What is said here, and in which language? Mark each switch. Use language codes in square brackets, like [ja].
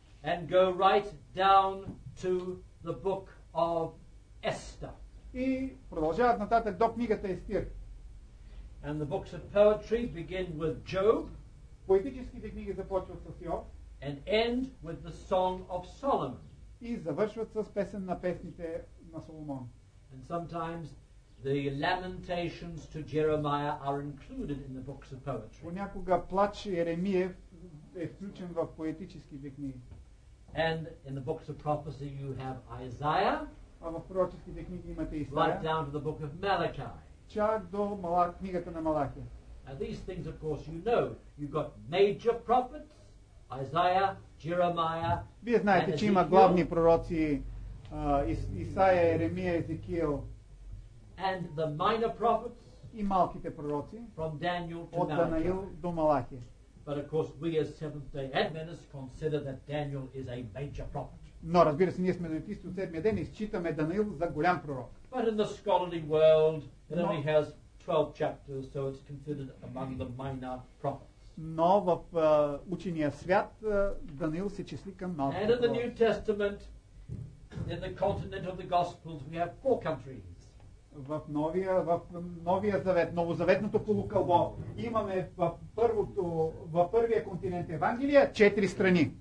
[en] And go right down to the book of Esther. [bg] И продължават нататък до книгата Естир. [en] And the books of poetry begin with Job. [bg] Поетическите книги започват с Йов. [en] And end with the Song of Solomon. [bg] И завършват с песен на песните на Соломон. [en] And sometimes the lamentations to Jeremiah are included in the books of poetry. [bg] Понякога плач Еремия е включен в поетическите книги. [en] And in the books of prophecy you have Isaiah. [bg] А в пророческите книги имате Исаия. [en] Right down to the book of Malachi. [bg] Чак до книгата на Малахия. [en] And these things of course you know. You've got major prophets, Isaiah, Jeremiah. [bg] Вие знаете, че има главни пророци Исаия, Еремия, Езекиил. [en] And the minor prophets, [bg] и малките пророци, [en] from Daniel to [bg] от Даниил до Малахия. [en] But of course we as Seventh-day Adventists consider that Daniel is a major prophet. [bg] Но разбира се, ние сме адвентисти от седмия ден и считаме Даниил за голям пророк. [en] But in the scholarly world, it only has 12 chapters, so it's considered among the minor prophets. [bg] Но в учения свят Даниил се числи към малките пророци. [en] And in the New Testament, in the continent of the Gospels, we have 4 countries. [bg] В новия завет, новозаветното полукълбо, имаме в първия континент Евангелия 4 страни.